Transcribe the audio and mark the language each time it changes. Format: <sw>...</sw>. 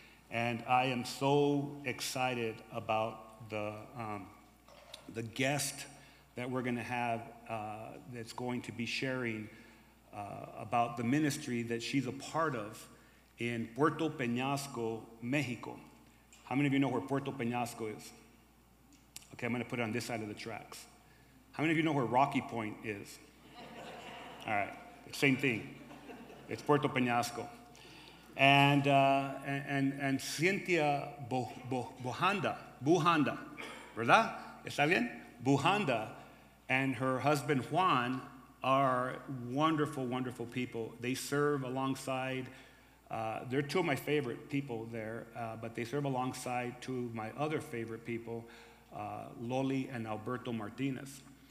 <en>And I am so excited about the guest that we're going to have that's going to be sharing about the ministry that she's a part of in Puerto Peñasco, Mexico. How many of you know where Puerto Peñasco is? Okay, I'm going to put it on this side of the tracks. How many of you know where Rocky Point is? All right, same thing. It's Puerto Peñasco. And Cynthia Bujanda,</en> <es>¿verdad? ¿Está bien?</es> <en>Bujanda and her husband Juan are wonderful, wonderful people. They serve alongside, they're two of my favorite people there, but they serve alongside two of my other favorite people, Loli and Alberto Martinez.</en>